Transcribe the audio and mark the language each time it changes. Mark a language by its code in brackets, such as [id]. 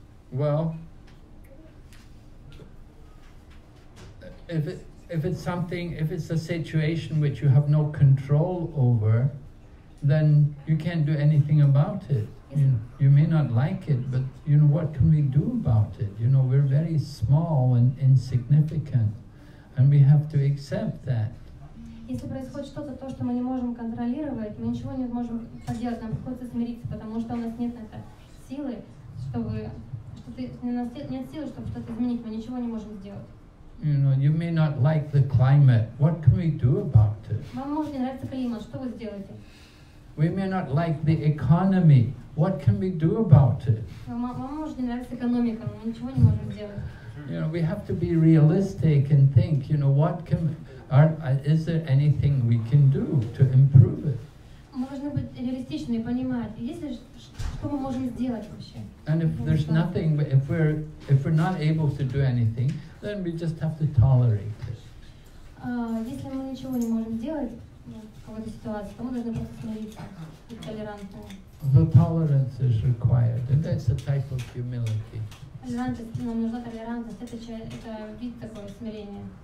[en] Well, if it's a situation which you have no control over, then you can't do anything about it. You may not like it, but you know what can we do about it? You know, we're very small and insignificant, and we have to accept that. [ru] Если происходит что-то, то, что мы не можем контролировать, мы ничего не можем поделать, нам приходится смириться, потому что у нас нет на это силы, чтобы чтобы что-то изменить, мы ничего не можем сделать. [en] You know, you may not like the climate. What can we do about it? [ru] Вам может не нравиться климат, что вы сделаете? [en] We may not like the economy. What can we do about it? [ru] Вам может не нравиться экономика, мы ничего не можем сделать. [en] You know, we have to be realistic and think, you know, what can we... is there anything we can do to improve it? [ru] Можно быть реалистичным и понимать, если что мы можем сделать вообще. [en] And if there's nothing, if we're not able to do anything, then we just have to tolerate it. [ru] Если мы ничего не можем сделать в какой-то ситуации, то мы должны просто смириться и толерантно. [en] The tolerance is required, and that's a type of humility. [ru] Толерантность, нам нужна толерантность. Это вид такого смирения.